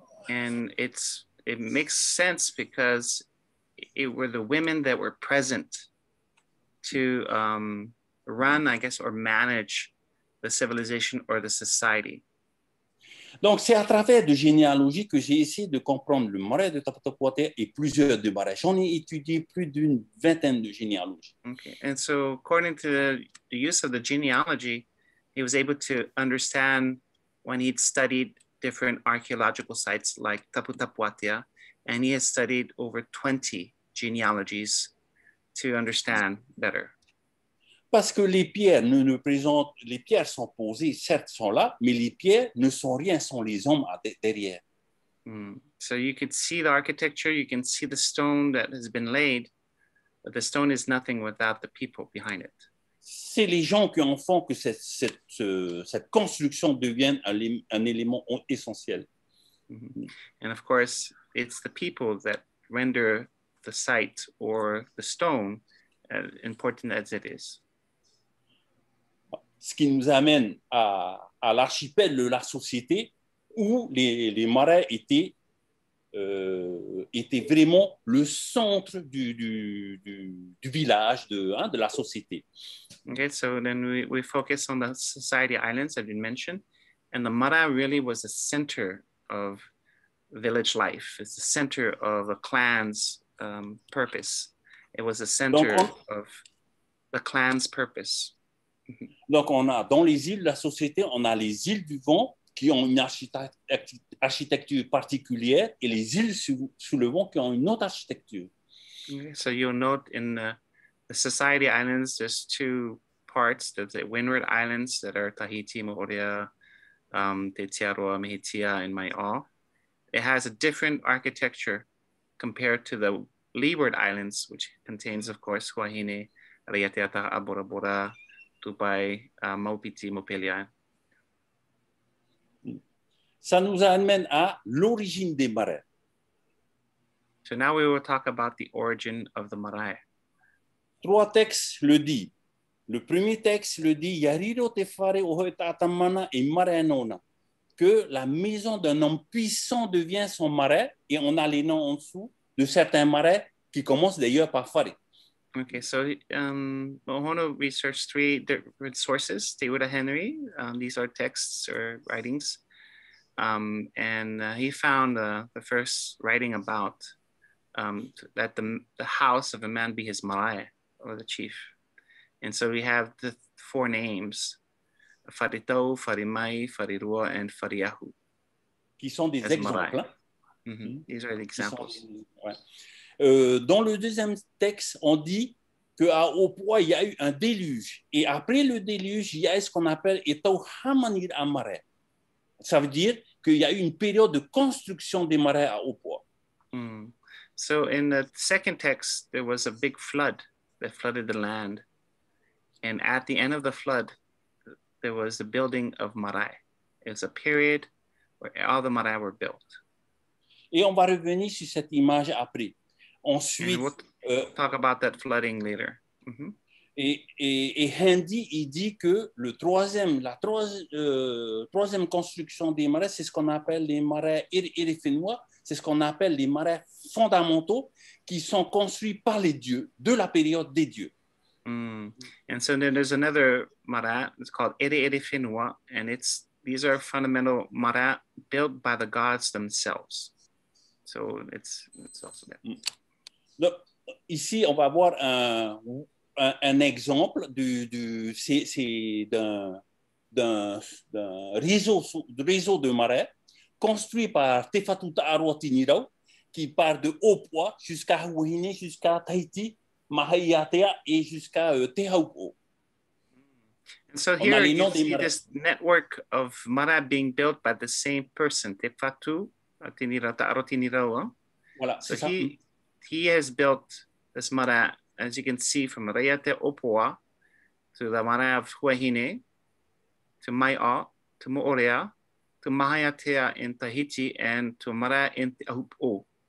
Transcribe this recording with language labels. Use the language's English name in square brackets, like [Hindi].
[English] And it makes sense because it were the women that were present to run, I guess, or manage the civilization or the society. [French] Donc, c'est à travers de généalogie que j'ai essayé de comprendre le marais de Taputapuātea et plusieurs de marais. J'en ai étudié plus d'une vingtaine de généalogies. [English] Okay. And so, according to the use of the genealogy, he was able to understand when he'd studied different archaeological sites like Taputapuātea, and he has studied over 20 genealogies to understand better. [French] Parce que les pierres ne nous présentent, les pierres sont posées, certes sont là, mais les pierres ne sont rien sans les hommes derrière. [English] So you can see the architecture, you can see the stone that has been laid, but the stone is nothing without the people behind it. [French] C'est les gens qui en font que cette construction devienne un élément essentiel. [English] And of course, it's the people that render the site or the stone as important as it is. [French] Ce qui nous amène à l'archipel de la société où les marais étaient vraiment le centre du village, de la société. [English] Okay, so then we focus on the society islands that you mentioned, and the marais really was the center of village life. It's the center of a clan's purpose. It was the center of the clan's purpose. [French] Donc, on a dans les îles de la société, on a les îles du vent qui ont une architecture particulière et les îles sous le vent qui ont une autre architecture. [English] So you'll note in the society islands, there's two parts, the windward islands that are Tahiti, Moorea, Te Tiaroa, Mehetia, and Mai'o. It has a different architecture compared to the leeward islands, which contains, of course, Huahine, Raiatea, Abora Bora, Tupai, Maupiti, Mopelia. [French] Ça nous amène à l'origine des marais. [English] So now we will talk about the origin of the marais. [French] Trois textes le dit. Le premier texte le dit, [Tahitian] Yariro te fare ohetatamana et marainona. [French] Que la maison d'un homme puissant devient son marais, et on a les noms en dessous de certains marais qui commencent d'ailleurs par fare. [English] Okay, so Moʻohono researched three different sources, Te Ura Henry, these are texts or writings, and he found the first writing about that the house of a man be his marae, or the chief. And so we have the four names, Faritau, Farimai, Farirua, and Fariahu. [French] Qui sont des exemples. Mm-hmm. [English] These are the examples. [French] Dans le deuxième texte, on dit qu'à Opua, il y a eu un déluge. Et après le déluge, il y a ce qu'on appelle Etau Hamanir Amare. Ça veut dire qu'il y a eu une période de construction des marais à Opua. Mm. [English] So in the second text, there was a big flood that flooded the land. And at the end of the flood, there was the building of marae. It was a period where all the marae were built. [French] Et on va revenir sur cette image après. Ensuite, [English] we'll talk about that flooding later. [French] Et Handy, il dit que la troisième construction des marais, c'est ce qu'on appelle les marais irifinois, c'est ce qu'on appelle les marais fondamentaux qui sont construits par les dieux, de la période des dieux. Mm. [English] And so then there's another mara, it's called Ere-Ere-Finua, and these are fundamental mara built by the gods themselves. So it's also that. [French] Donc, ici, on va voir un exemple d'un réseau de marais construit par Tefatuta Aruatinirau, qui part de Opua jusqu'à Huahine, jusqu'à Tahiti, Raʻiātea et jusqu'à Tehauko. [English] And so here you see this network of mara being built by the same person, Tefatu Aruatinirau. [French] Voilà, [English] so he has built this mara, as you can see, from Raʻiātea Opua to the mara of Huahine, to Maiʻa, to Moʻorea, to Raʻiātea in Tahiti, and to mara in Tehauko.